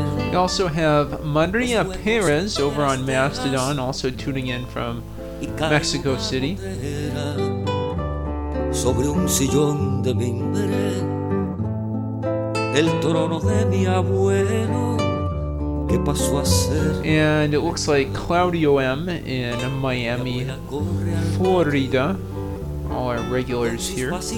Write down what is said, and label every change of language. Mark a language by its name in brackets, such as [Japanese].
[English] We also have Maria Perez over on Mastodon, also tuning in from Mexico City. [Spanish] Sobre un sillón de mimbre, el trono de mi abuelo, que pasó a ser. [English] And it looks like Claudio M. in Miami, Florida, all our regulars here.